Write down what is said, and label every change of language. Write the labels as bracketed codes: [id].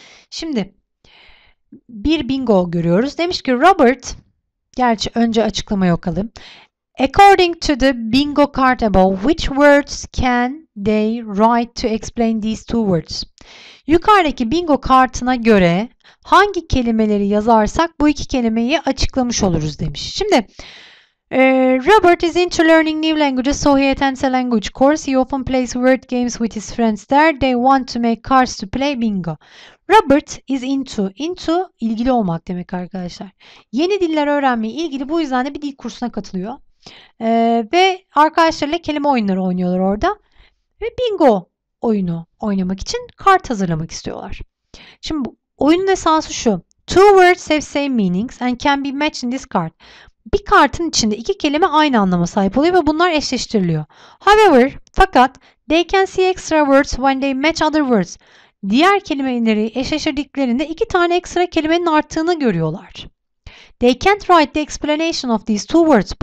[tr] Şimdi bir bingo görüyoruz. Demiş ki Robert, gerçi önce açıklamayı okalım. [en] According to the bingo card above, which words can They write to explain these two words. [tr] Yukarıdaki bingo kartına göre hangi kelimeleri yazarsak bu iki kelimeyi açıklamış oluruz demiş. Şimdi [en] Robert is into learning new languages, so he attends a language course. He often plays word games with his friends there. They want to make cards to play bingo. Robert is into. [tr] Into ilgili olmak demek arkadaşlar. Yeni diller öğrenmeye ilgili, bu yüzden de bir dil kursuna katılıyor. Ve arkadaşlarıyla kelime oyunları oynuyorlar orada. Ve bingo oyunu oynamak için kart hazırlamak istiyorlar. Şimdi bu oyunun esası şu. [en] Two words have same meanings and can be matched in this card. [tr] Bir kartın içinde iki kelime aynı anlama sahip oluyor ve bunlar eşleştiriliyor. [en] However, fakat they can see extra words when they match other words. [tr] Diğer kelimeleri eşleştirdiklerinde iki tane ekstra kelimenin arttığını görüyorlar. [en] They can't write the explanation of these two words.